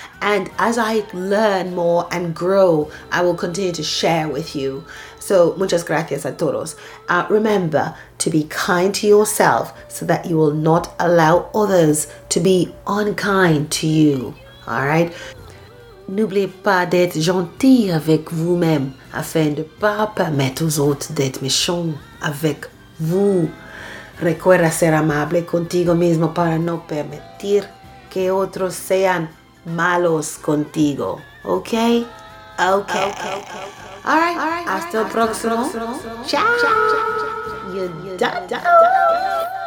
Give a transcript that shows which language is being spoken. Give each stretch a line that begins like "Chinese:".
English: And as I learn more and grow, I will continue to share with you. So,
Spanish: muchas gracias a todos.
English: Remember to be kind to yourself so that you will not allow others to be unkind to you. All right?
French: N'oubliez pas d'être gentil avec vous-même afin de ne pas permettre aux autres d'être méchants avec vous.
Spanish: Recuerda ser amable contigo mismo para no permitir que otros sean malos contigo.
English: Okay? Okay. All right.
Spanish: Hasta el próximo.
English: Ciao. You're done.